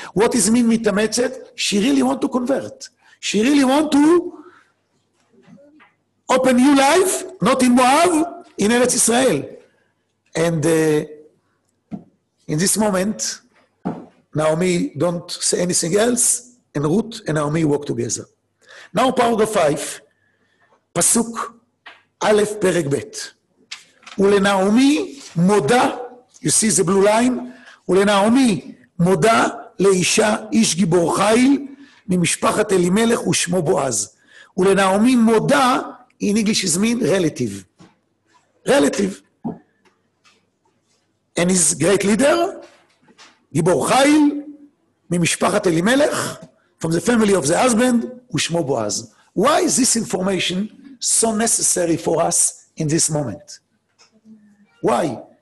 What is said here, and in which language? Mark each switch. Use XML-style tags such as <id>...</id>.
<en>What is mean מתאמצת? She really want to convert. She really want to open new life, not in Moab, in ארץ ישראל. And in this moment, Naomi don't say anything else, and Ruth and Naomi walk together. Now paragraph 5, פסוק א' פרק ב'.</en> <he>ולנעמי מודה,</he> <en>you see the blue line,</en> <he>ולנעמי מודה לאישה איש גיבור חיל ממשפחת אלימלך ושמו בועז.</he> <en>ולנעמי מודה, in English is mean relative. And his great leader,</en> <he>גיבור חיל, ממשפחת אלימלך,</he> <en>from the family of the husband,</en> <he>ושמו בועז.</he> <en>Why is this information so necessary for us in this moment? Why?</en>